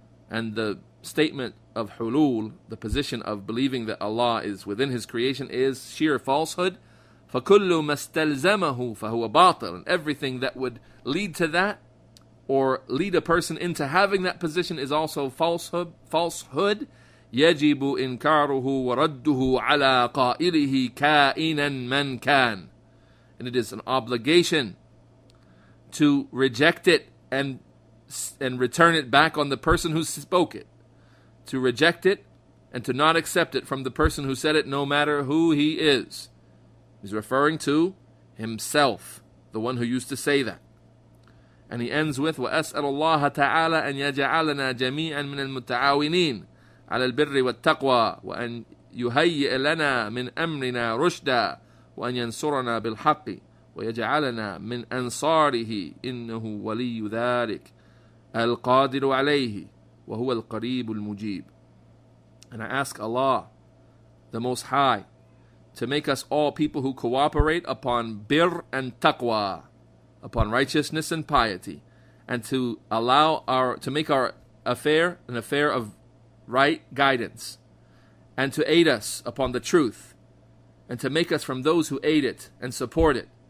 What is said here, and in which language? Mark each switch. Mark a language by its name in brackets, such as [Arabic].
[English] And the statement of hulul, the position of believing that Allah is within his creation, is sheer falsehood. [Arabic] فَكُلُّ مَسْتَلْزَمَهُ فَهُوَ بَاطِلٌ. [English] Everything that would lead to that, or lead a person into having that position, is also falsehood. [Arabic] يجب إنكاره ورده على قائله كائنا من كان. [English] And it is an obligation to reject it and return it back on the person who spoke it. To reject it and to not accept it from the person who said it, no matter who he is. He's referring to himself, the one who used to say that. And he ends with, [Arabic] وَأَسْأَلُ اللَّهَ تَعَالَى أَنْ يَجَعَلَنَا جَمِيعًا مِنَ الْمُتَعَاوِنِينَ على البر والتقوى وأن يهيئ لنا من أمرنا رشدا وأن ينصرنا بالحق ويجعلنا من أنصاره إنه ولي ذلك القادر عليه وهو القريب المجيب. [English] And I ask Allah, the Most High, to make us all people who cooperate upon bir and taqwa, upon righteousness and piety, and to allow to make our affair of right guidance, and to aid us upon the truth, and to make us from those who aid it and support it.